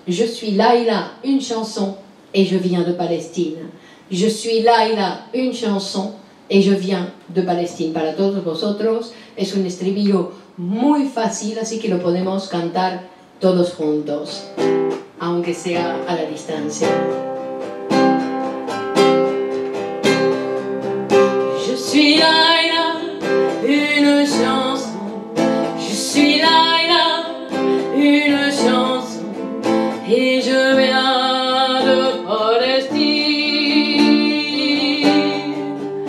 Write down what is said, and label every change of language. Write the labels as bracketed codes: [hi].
[fr] Je suis Laila, une chanson, et je viens de Palestine. Je suis Laila, une chanson, et je viens de Palestine. [es] Para todos vosotros es un estribillo muy fácil, así que lo podemos cantar todos juntos, aunque sea a la distancia. [fr] Je suis Laila, une chanson. Je suis Laila, une chanson. Et je viens de Palestine.